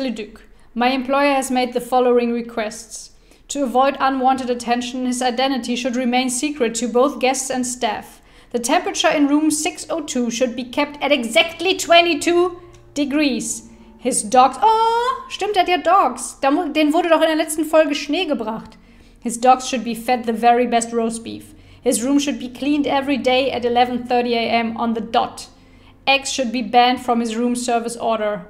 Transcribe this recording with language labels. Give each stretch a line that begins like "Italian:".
English: Leduc, my employer has made the following requests. To avoid unwanted attention, his identity should remain secret to both guests and staff. The temperature in room 602 should be kept at exactly 22 degrees. His dogs...
German: Oh, stimmt, er hat ja Dogs. Den wurde doch in der letzten Folge Schnee gebracht.
English: His dogs should be fed the very best roast beef. His room should be cleaned every day at 11:30 a.m. on the dot. Eggs should be banned from his room service order.